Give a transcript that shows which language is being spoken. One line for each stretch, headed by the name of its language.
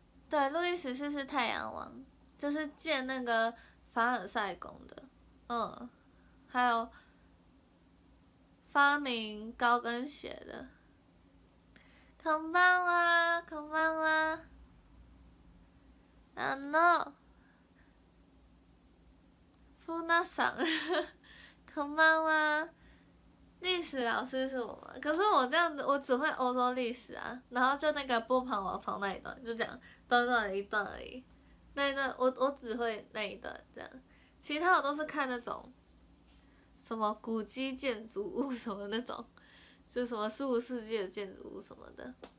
Chinese: 对，路易十四是太阳王，就是建那个凡尔赛宫的，还有发明高跟鞋的。
Japanese: こんばんは、こんばんは。あの、フナさん、こんばんは。
Chinese: 历史老师是我吗？可是我这样子，我只会欧洲历史啊。然后就那个波旁王朝那一段，就讲短短的一段而已。那一段我只会那一段这样，其他我都是看那种什么古迹建筑物什么那种，就什么十五世纪的建筑物什么的。